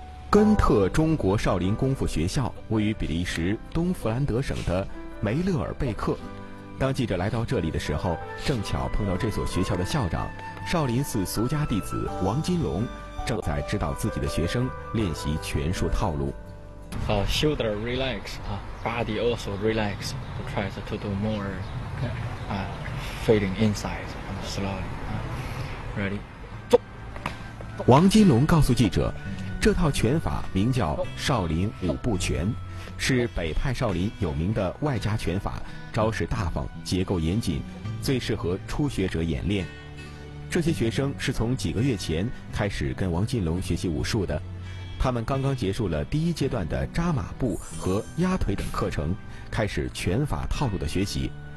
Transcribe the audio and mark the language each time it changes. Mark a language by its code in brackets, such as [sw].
[zh] 根特中国少林功夫学校位于比利时东弗兰德省的梅勒尔贝克，当记者来到这里的时候，正巧碰到这所学校的校长少林寺俗家弟子王金龙，正在指导自己的学生练习拳术套路。 [en] 好 shoulder relax, body also relax, try to do more, fading inside, slowly, ready, 走。 [zh] 王金龙告诉记者，这套拳法名叫少林五步拳，是北派少林有名的外家拳法，招式大方，结构严谨，最适合初学者演练。这些学生是从几个月前开始跟王金龙学习武术的，他们刚刚结束了第一阶段的扎马步和压腿等课程，开始拳法套路的学习。